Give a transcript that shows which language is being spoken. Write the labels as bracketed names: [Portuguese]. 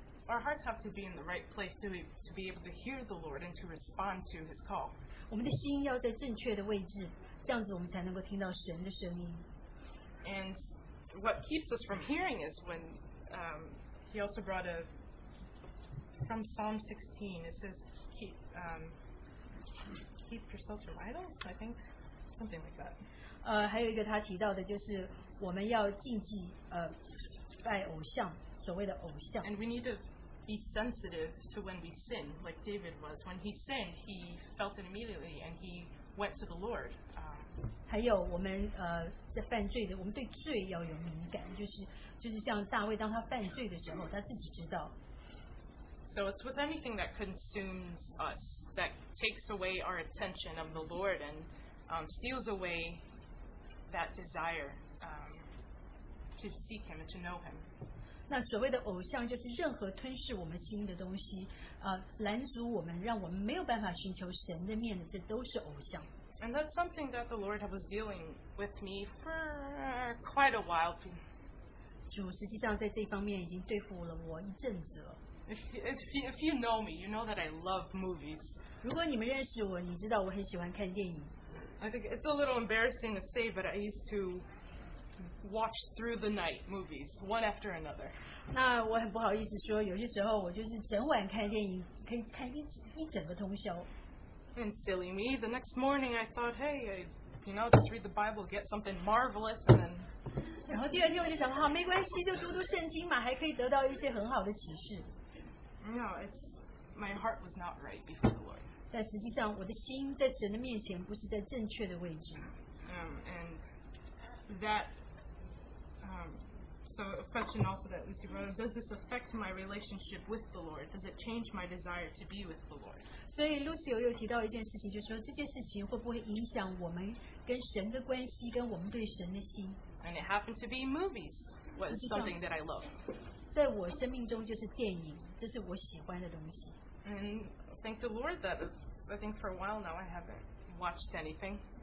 [English] Our hearts have to be in the right place to be able to hear the Lord and to respond to His call. [Chinese] 我们的心要在正确的位置，这样子我们才能够听到神的声音。 [English] And what keeps us from hearing is when He also brought a from Psalm 16. It says, "Keep yourself from idols." I think something like that. [Chinese] 还有一个他提到的就是我们要禁忌拜偶像，所谓的偶像。 [English] And we need to. Be sensitive to when we sin, like David was. When he sinned, he felt it immediately, and he went to the Lord. [Chinese] 还有我们在犯罪的，我们对罪要有敏感，就是像大卫当他犯罪的时候，他自己知道。 [English] So it's with anything that consumes us, that takes away our attention of the Lord, and steals away that desire to seek Him and to know Him. [Chinese] 那所谓的偶像就是任何吞噬我们心的东西，拦阻我们，让我们没有办法寻求神的面的，这都是偶像。 [English] And that's something that the Lord was dealing with me for quite a while. [Chinese] 主实际上在这方面已经对付了我一阵子了。 [English] If you know me, you know that I love movies. [Chinese] 如果你们认识我，你知道我很喜欢看电影。 [English] I think it's a little embarrassing to say, but I used to. Watch through the night movies one after another. [Chinese] 那我很不好意思说，有些时候我就是整晚看电影，可以看一整个通宵。 [English] And silly me, the next morning I thought, hey, just read the Bible, get something marvelous, and then. [Chinese] 然后第二天我就想，好，没关系，就读读圣经嘛，还可以得到一些很好的启示。 [English] No, my heart was not right before the Lord. [Chinese] 但实际上，我的心在神的面前不是在正确的位置。 [English] So a question also that Lucy brought up, does this affect my relationship with the Lord? Does it change my desire to be with the Lord? [Chinese] 所以 Lucy 又提到一件事情，就是说这件事情会不会影响我们跟神的关系，跟我们对神的心。 [English] And it happened to be movies was something that I love. [Chinese] 在我生命中就是电影，这是我喜欢的东西。 [English] And thank the Lord that I think for a while now I haven't watched anything.